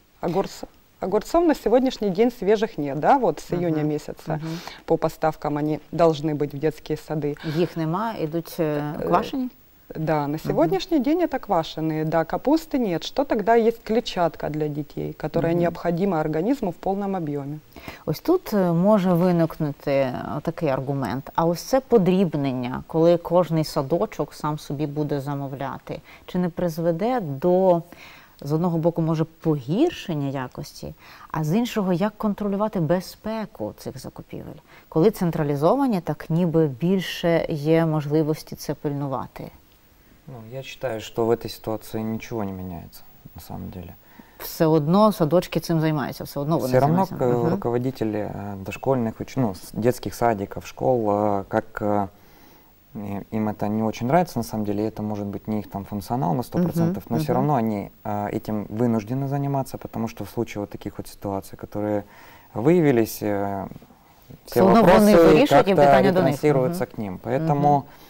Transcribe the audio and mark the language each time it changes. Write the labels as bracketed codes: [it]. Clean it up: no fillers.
[ru] Огурцов на сегодняшний день свежих нет, да, вот с июня месяца по поставкам они должны быть в детские сады. Их нема, идут квашені? Да, на сегодняшний день это квашеные. Да, капусты нет. Что тогда есть клетчатка для детей, которая необходима организму в полном объеме? [uk] Ось тут може виникнути такий аргумент. А ось це подрібнення, коли кожний садочок сам собі буде замовляти, чи не призведе до, з одного боку, може погіршення якості, а з іншого, як контролювати безпеку цих закупівель? Коли централізовані, так ніби більше є можливості це пильнувати. [ru] Ну, я считаю, что в этой ситуации ничего не меняется, на самом деле. [uk] Все одно садочки цим займаються, все одно вони займаються. [ru] Все равно руководители дошкольных, ну, детских садиков, школ, как им это не очень нравится, на самом деле, это может быть не их там функционал на 100%, но все равно они этим вынуждены заниматься, потому что в случае вот таких вот ситуаций, которые выявились, все вопросы как-то ретансируются к ним. Поэтому...